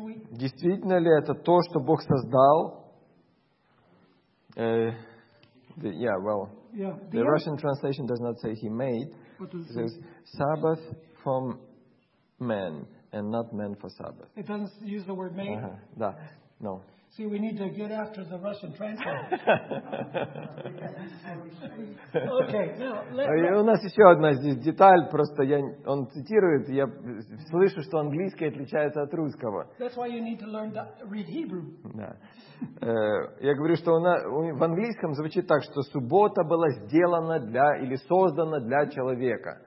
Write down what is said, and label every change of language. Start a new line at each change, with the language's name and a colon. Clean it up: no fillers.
Russian: Действительно ли это то, что Бог создал?
English: The Russian translation does not say he made. It says Sabbath from man and not man for Sabbath. It doesn't use the word made? Uh-huh.
Russian: Да,
English: no. See, we need to get after the Russian translator. Okay, now let's.
Russian: У нас еще одна здесь деталь. Просто он цитирует, я слышу, что английский отличается от русского.
English: That's why you need to learn to read Hebrew.
Russian: Да. Я говорю, что в английском звучит так, что суббота была сделана для или создана для человека.